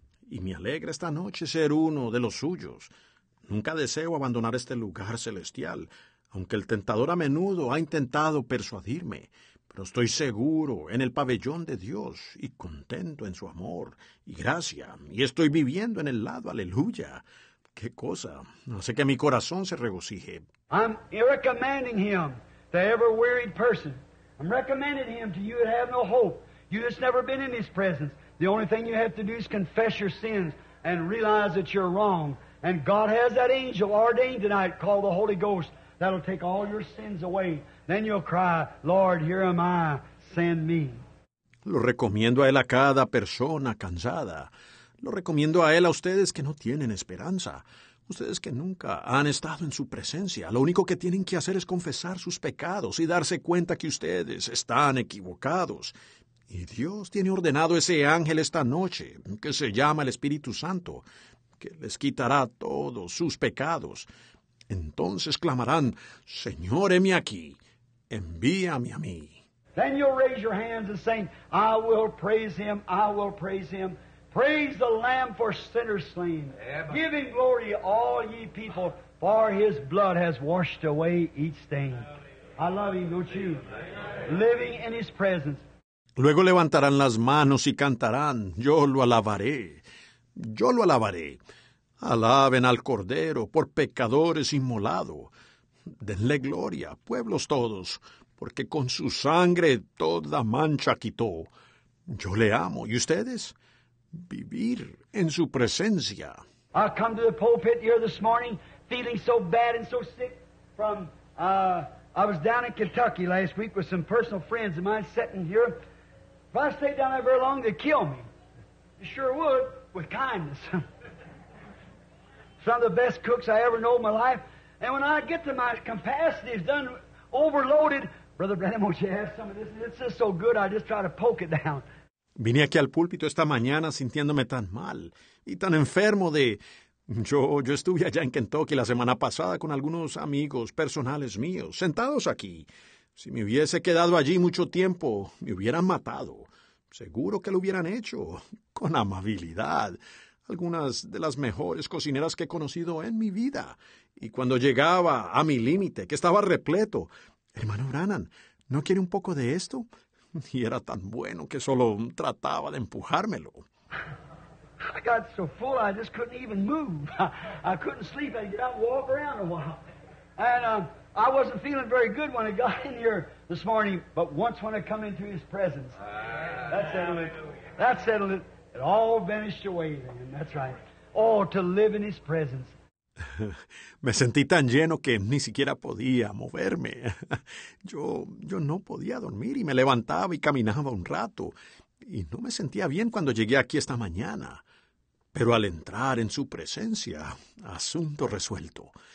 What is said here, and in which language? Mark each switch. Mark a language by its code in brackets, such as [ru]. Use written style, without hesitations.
[es] Y me alegra esta noche ser uno de los suyos. Nunca deseo abandonar este lugar celestial, aunque el tentador a menudo ha intentado persuadirme. Pero estoy seguro en el pabellón de Dios y contento en su amor y gracia. Y estoy viviendo en el lado, aleluya. ¡Qué cosa! Hace que mi corazón se regocije. [en] I'm recommending Him to every wearied person. I'm recommending Him to you that have no hope. You that's never been in His presence. The only thing you have to do is confess your sins and realize that you're wrong. And God has that angel ordained tonight called the Holy Ghost that'll take all your sins away. Then you'll cry, Lord, here am I, send me. [es] Lo recomiendo a Él a cada persona cansada. Lo recomiendo a Él a ustedes que no tienen esperanza. Ustedes que nunca han estado en su presencia, lo único que tienen que hacer es confesar sus pecados y darse cuenta que ustedes están equivocados. Y Dios tiene ordenado ese ángel esta noche, que se llama el Espíritu Santo, que les quitará todos sus pecados. Entonces clamarán, Señor, heme aquí, envíame a mí. [en] Then you'll raise your hands and say, I will praise him, I will praise him. Praise the Lamb for sinners slain. Amen. Give him glory, all ye people, for his blood has washed away each stain. I love him, don't you? Living in his presence. [es] Luego levantarán las manos y cantarán, yo lo alabaré, yo lo alabaré. Alaben al Cordero por pecadores inmolado. Denle gloria, pueblos todos, porque con su sangre toda mancha quitó. Yo le amo, ¿y ustedes? Vivir en su presencia. [en] I come to the pulpit here this morning feeling so bad and so sick from, I was down in Kentucky last week with some personal friends of mine sitting here. If I stayed down there very long, they'd kill me. They sure would, with kindness. Some of the best cooks I ever know in my life. And when I get to my capacity, it's done, overloaded. Brother Branham, won't you have some of this? It's just so good, I just try to poke it down. [es] Vine aquí al púlpito esta mañana sintiéndome tan mal y tan enfermo de... Yo estuve allá en Kentucky la semana pasada con algunos amigos personales míos, sentados aquí. Si me hubiese quedado allí mucho tiempo, me hubieran matado. Seguro que lo hubieran hecho, con amabilidad. Algunas de las mejores cocineras que he conocido en mi vida. Y cuando llegaba a mi límite, que estaba repleto, hermano Branham, ¿no quiere un poco de esto? Y era tan bueno que solo trataba de empujármelo. [en] I got so full I just couldn't even move. I couldn't sleep. I'd get out and walk around a while. And I wasn't feeling very good when I got in here this morning, but once when I come into his presence, that settled it. That settled it. It all vanished away then. That's right. Oh, to live in his presence. [es] Me sentí tan lleno que ni siquiera podía moverme. Yo no podía dormir y me levantaba y caminaba un rato. Y no me sentía bien cuando llegué aquí esta mañana. Pero al entrar en su presencia, asunto resuelto.